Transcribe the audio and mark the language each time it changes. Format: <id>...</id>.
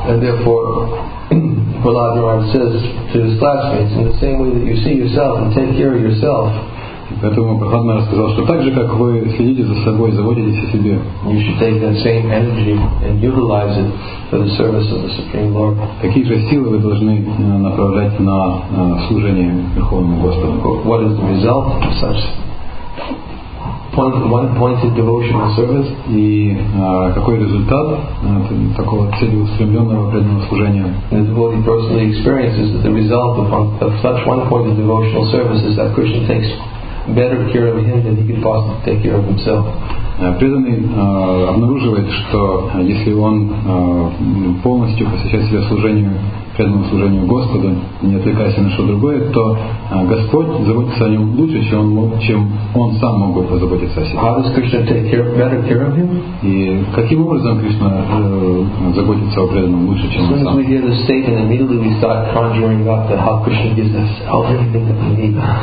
<en>And therefore, Balaram says to his classmates, in the same way that you see yourself and take care of yourself.</en> <ru>Поэтому Прабхупада рассказал, что так же, как вы следите за собой, заботитесь о себе,</ru> <en>you should take that same energy and utilize it for the service of the Supreme Lord.</en> <ru>Какие же силы вы должны направлять на служение Верховному Господу?</ru> <en>What is the result of such one-pointed devotional service?</en> <ru>И какой результат такого целеустремленного преданного служения?</ru> <en>The devotee personally experiences that the result of such one-pointed devotional service is that Krishna takes better care of him than he could possibly take care of himself.</en> <ru>Преданный обнаруживает, что если он полностью посвящает себя служению, преданному служению Господу, не отвлекаясь на что другое, то Господь заботится о нем лучше, чем он сам мог бы позаботиться о себе.</ru> <en>How does Krishna take better care of him?</en> <ru>И каким образом Кришна заботится о преданном лучше, чем он сам?</ru> <en>As soon as we hear the statement, immediately we start conjuring up that how Krishna gives us everything that we need.</en>